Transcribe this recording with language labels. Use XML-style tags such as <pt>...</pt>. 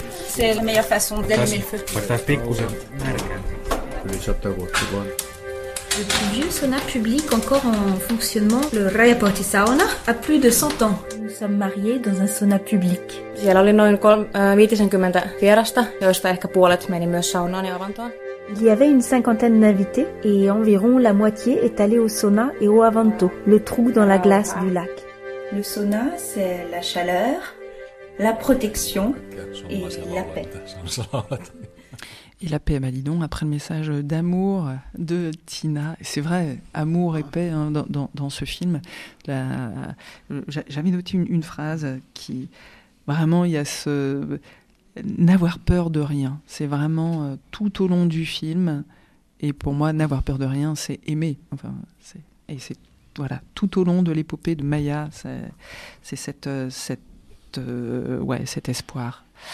<fr>C'est la meilleure façon d'allumer le feu.</fr> <fi>Pitää pikkusen märkää. Yli 100 vuotta vaan.</fi> <fr>Le plus vieux sauna public encore en fonctionnement, le Rajaportti Sauna, a plus de 100 ans. Nous sommes mariés dans un sauna public.</fr> <fi>Siellä oli noin 50 vierasta, joista ehkä puolet meni myös saunaan ja avantoon.</fi> <fr>Il y avait une cinquantaine d'invités et environ la moitié est allée au sauna et au avanto, le trou dans la glace du lac. Le sauna, c'est la chaleur, la protection et la paix. Et la paix, bah dis donc, après le message d'amour de Tina, c'est vrai, amour et paix hein, dans ce film, là, j'avais noté une phrase qui, vraiment, il y a ce « n'avoir peur de rien », c'est vraiment tout au long du film, et pour moi, « n'avoir peur de rien », c'est aimer, enfin, c'est, et c'est, voilà, tout au long de l'épopée de Maya, c'est cet espoir.</fr>